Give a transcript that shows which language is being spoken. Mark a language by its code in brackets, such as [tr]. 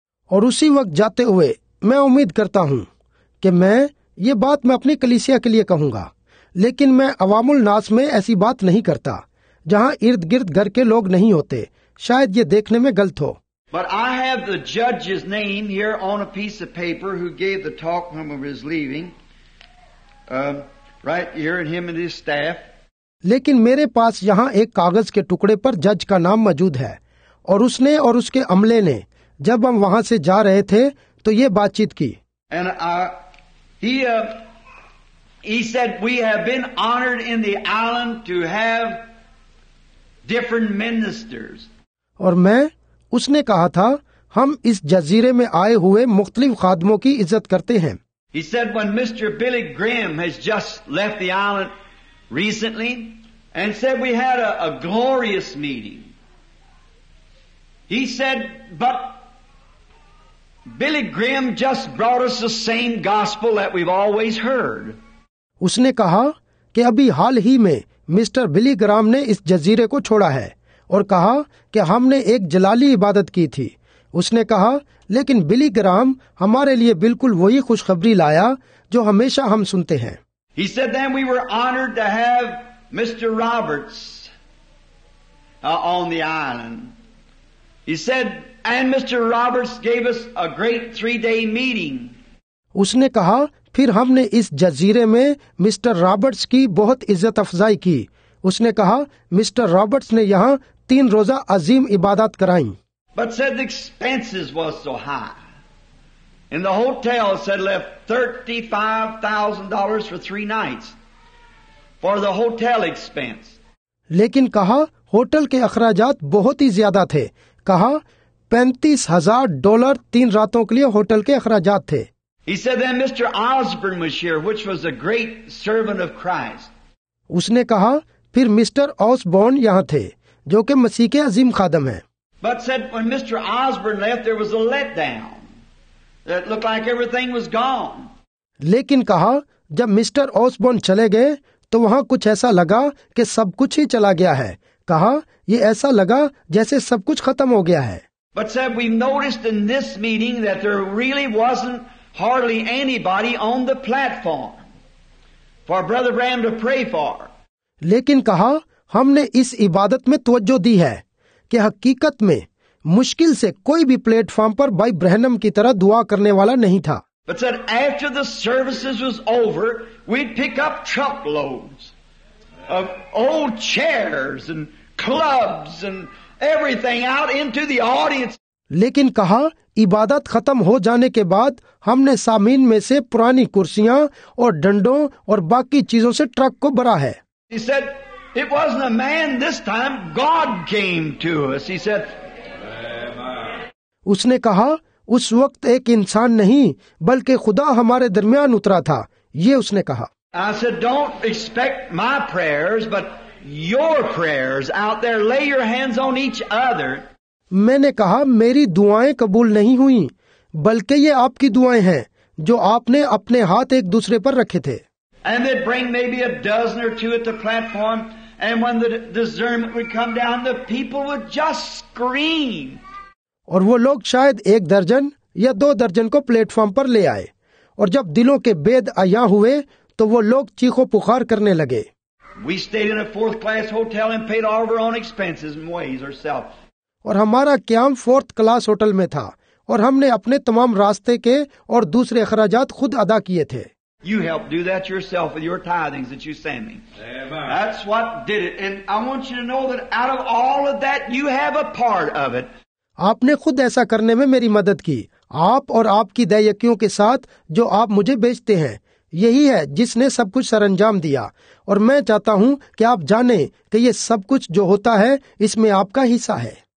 [hi] और उसी वक्त जाते हुए मैं उम्मीद करता हूँ कि मैं ये बात मैं अपनी कलीसिया के लिए कहूँगा, लेकिन मैं अवामुल नास में ऐसी बात नहीं करता जहाँ इर्द गिर्द घर के लोग नहीं होते. शायद ये देखने में गलत हो. [en] But I have the judge's name here on a piece of paper who gave the talk when he was leaving, right here, and him and his staff. [hi] लेकिन मेरे पास यहाँ एक कागज के टुकड़े पर जज का नाम मौजूद है और उसने और उसके अमले ने जब हम वहाँ से जा रहे थे तो ये बातचीत की. [en] And he said we have been honored in the island to have different ministers. [hi] और मैं उसने कहा था हम इस जजीरे में आए हुए मुख्तलिफ खादमों की इज्जत करते हैं. [en] He said when Mr. Billy Graham has just left the island recently, and said we had a glorious meeting. He said, but Billy Graham just brought us the same gospel that we've always heard. [hi] उसने कहा कि अभी हाल ही में mister बिली ग्राम ने इस जजीरे को छोड़ा है और कहा कि हमने एक जलाली इबादत की थी. उसने कहा लेकिन बिली ग्राम हमारे लिए बिल्कुल वही खुशखबरी लाया जो हमेशा हम सुनते हैं. [en] He said then we were honored to have Mr. Roberts on the island. He said, and Mr. Roberts gave us a great 3-day meeting. [hi] उसने कहा फिर हमने इस जजीरे में मिस्टर रॉबर्ट्स की बहुत इज्जत अफजाई की। उसने कहा, मिस्टर रॉबर्ट्स ने यहाँ 3 रोजा अजीम इबादत कराई। [en] But said the expenses was so high. And the hotel said left $35,000 for 3 nights for the hotel expense. [hi] लेकिन कहा होटल के अखराजात बहुत ही ज्यादा थे। कहा $35,000 3 रातों के लिए होटल के अखराजात थे। [en] He said that Mr. Osborne was here, which was a great servant of Christ. [hi] उसने कहा फिर मिस्टर ऑसबोर्न यहाँ थे जो कि मसीह के अजीम खादम हैं। [en] But said when Mr. Osborne left, there was a letdown. It looked like everything was gone. [hi] लेकिन कहा जब मिस्टर ऑसबोर्न चले गए तो वहाँ कुछ ऐसा लगा कि सब कुछ ही चला गया है। कहा ये ऐसा लगा जैसे सब कुछ खत्म हो गया है। [en] But said we noticed in this meeting that there really wasn't hardly anybody on the platform for Brother Branham to pray for. [hi] लेकिन कहा हमने इस इबादत में तवज्जो दी है कि हकीकत में मुश्किल से कोई भी प्लेटफॉर्म पर भाई ब्रहनम की तरह दुआ करने वाला नहीं था। [en] But said after the services was over, we'd pick up truckloads of old chairs and clubs and everything out into the audience. [hi] लेकिन कहा इबादत खत्म हो जाने के बाद हमने सामीन में से पुरानी कुर्सियां और डंडों और बाकी चीजों से ट्रक को भरा है। [en] He said, It wasn't a man this time, God came to us. He said, [hi] उसने कहा उस वक्त एक इंसान नहीं बल्कि खुदा हमारे दरमियान उतरा था। ये उसने कहा। [en] I said, don't expect my prayers, but your prayers out there, lay your hands on each other. [hi] मैंने कहा मेरी दुआएं कबूल नहीं हुई बल्कि ये आपकी दुआएं हैं जो आपने अपने हाथ एक दूसरे पर रखे थे। [en] And they'd bring maybe a dozen or two at the platform, and when the discernment would come down, the people would just scream. [hi] और वो लोग शायद एक दर्जन या दो दर्जन को प्लेटफॉर्म पर ले आए और जब दिलों के बेद आया हुए तो वो लोग चीखों पुकार करने लगे। [en] We stayed in a fourth class hotel and paid all of our own expenses and ways ourselves. [hi] और हमारा क्याम फोर्थ क्लास होटल में था और हमने अपने तमाम रास्ते के और दूसरे अखराजात खुद अदा किए थे। [en] You helped do that yourself with your tithings that you sent me. That's what did it. And I want you to know that out of all of that, you have a part of it. [hi] आपने खुद ऐसा करने में मेरी मदद की। आप और आपकी दयकियों के साथ जो आप मुझे बेचते हैं, यही है जिसने सब कुछ सरंजाम दिया। और मैं चाहता हूँ कि आप जानें कि ये सब कुछ जो होता है, इसमें आपका हिस्सा है।